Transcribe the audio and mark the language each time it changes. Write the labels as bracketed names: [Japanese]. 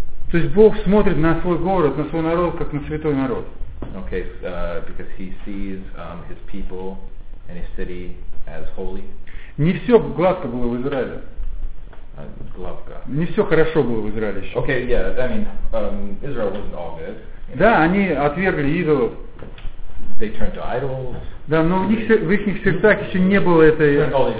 [Russian] То есть Бог смотрит на свой город, на свой народ, как на святой народ. [English] Okay, because He sees His people and His city as holy. [Russian] Не все гладко было в Израиле. Гладко. Не все хорошо было в Израиле еще. [English] Okay, yeah, I mean, Israel wasn't all good. [Russian] Да, они отвергли идолов. [English] They turned to idols. [Russian] Да, но в их сердцах еще не было этой...